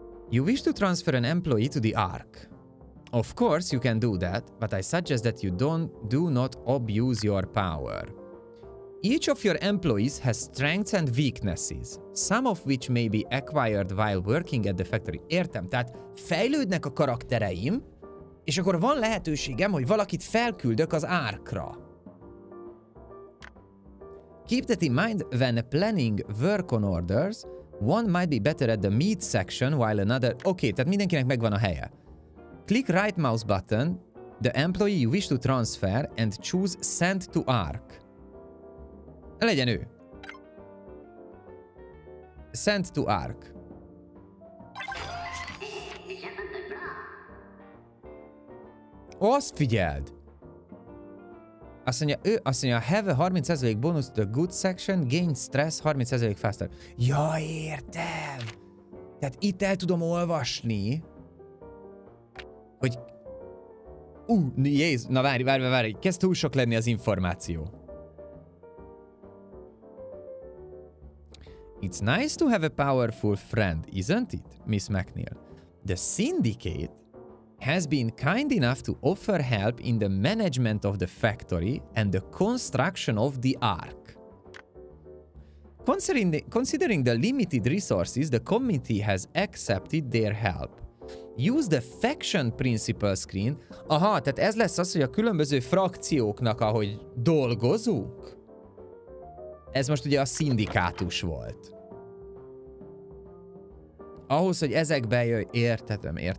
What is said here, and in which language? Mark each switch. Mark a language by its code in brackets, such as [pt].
[en] You wish to transfer an employee to the Ark. Of course you can do that, but I suggest that you do not abuse your power. Each of your employees has strengths and weaknesses, some of which may be acquired while working at the factory. [hu] Értem, tehát fejlődnek a karaktereim, és akkor van lehetőségem, hogy valakit felküldök az Ark-ra. [en] Keep that in mind when planning work on orders. One might be better at the meat section while another... [hu] Okay, tehát mindenkinek megvan a helye. [en] Click right mouse button, the employee you wish to transfer, and choose send to Ark. [hu] Legyen ő. [en] Send to Ark. [hu] Azt figyeld! Azt mondja, [en] have a 30% bonus to the good section, gain stress 30% faster. [hu] Ja, értem! Tehát itt el tudom olvasni, hogy... Jézus, na várj, kezd túl sok lenni az információ. [en] It's nice to have a powerful friend, isn't it, Miss McNeil? The syndicate has been kind enough to offer help in the management of the factory and the construction of the Ark. Considering the limited resources, the committee has accepted their help. Use the faction principal screen. [hu] Aha, tehát ez lesz az, hogy a különböző frakcióknak, ahogy dolgozunk? Ez most ugye a szindikátus volt. Ahhoz, hogy ezekbe jöjj, értem.